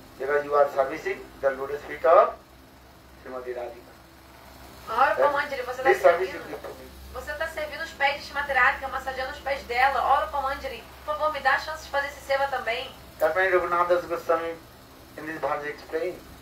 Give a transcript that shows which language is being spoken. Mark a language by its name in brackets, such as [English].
[English] Because you are servicing the lotus feet of Srimati Radhika. [Portuguese] Oh, Rupa Manjari, você está servindo. Você está servindo os pés de Srimati Radhika, massageando os pés dela. Oh, Rupa Manjari, por favor, me dá a chance de fazer esse seva também. [English] That means Raghunatha Das Goswami in this bhajan explained.